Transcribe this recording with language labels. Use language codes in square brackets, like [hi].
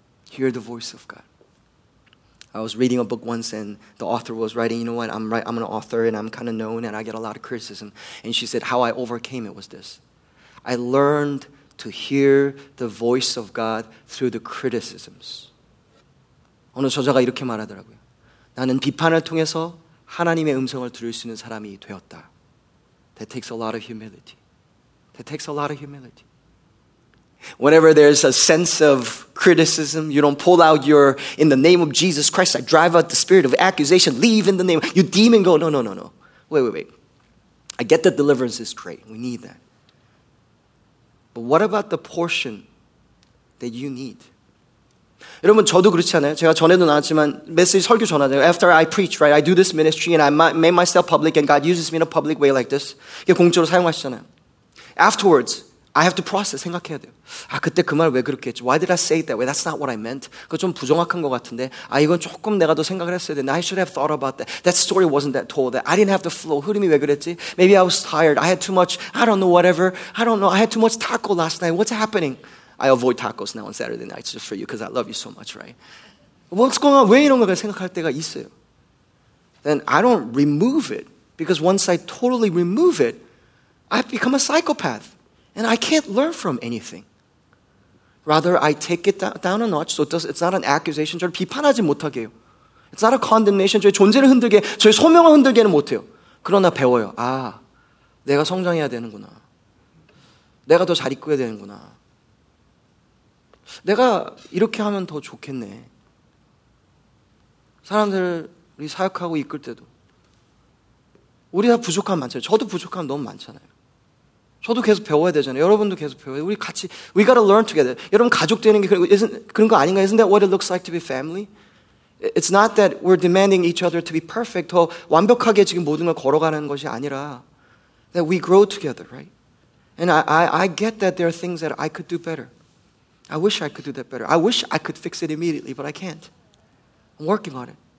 [en] Hear the voice of God. I was reading a book once and the author was writing, you know what, I'm an author and I'm kind of known and I get a lot of criticism. And she said, how I overcame it was this. I learned to hear the voice of God through the criticisms. [ko] 어느 저자가 이렇게 말하더라고요. 나는 비판을 통해서 하나님의 음성을 들을 수 있는 사람이 되었다. [en] That takes a lot of humility. That takes a lot of humility. Whenever there's a sense of criticism, you don't pull out your, in the name of Jesus Christ, I drive out the spirit of accusation, leave in the name, you demon go, no. Wait. I get that deliverance is great. We need that. But what about the portion that you need? [ko] 여러분 저도 그렇지 않아요? 제가 전에도 나왔지만 메시지 설교 전하잖아요. [en] After I preach, right? I do this ministry and I make myself public and God uses me in a public way like this. [ko] 이게 공적으로 사용하시잖아요. [en] Afterwards, I have to process, [ko] 생각해야 돼요. 아, 그때 그 말 왜 그렇게 했지? [en] Why did I say it that way? That's not what I meant. [ko] 그거 좀 부정확한 것 같은데. 아, 이건 조금 내가 더 생각을 했어야 돼. [en] I should have thought about that. That story wasn't that told. That I didn't have the flow. [ko] 흐름이 왜 그랬지? [en] Maybe I was tired. I had too much, I don't know, whatever. I don't know. I had too much taco last night. What's happening? I avoid tacos now on Saturday nights just for you because I love you so much, right? What's going on? [ko] 왜 이런 걸 생각할 때가 있어요? [en] Then I don't remove it because once I totally remove it, I become a psychopath and I can't learn from anything. Rather, I take it down a notch so it's not an accusation. [ko] 저를 비판하지 못하게 해요. [en] It's not a condemnation. [ko] 저의 존재를 흔들게, 저의 소명을 흔들게는 못해요. 그러나 배워요. 아, 내가 성장해야 되는구나. 내가 더 잘 이끌어야 되는구나. 내가 이렇게 하면 더 좋겠네. 사람들이 사역하고 이끌 때도 우리 다 부족함 많잖아요. 저도 부족함 너무 많잖아요. 저도 계속 배워야 되잖아요. 여러분도 계속 배워야 돼요. 우리 같이 [en] We gotta learn together. [ko] 여러분 가족 되는 게 그런 거 아닌가? [en] Isn't that what it looks like to be family? It's not that we're demanding each other to be perfect. [ko] 더 완벽하게 지금 모든 걸 걸어가는 것이 아니라 [en] that we grow together, right? And I get that there are things that I could do better. I wish I could do that better. I wish I could fix it immediately, but I can't. I'm working on it.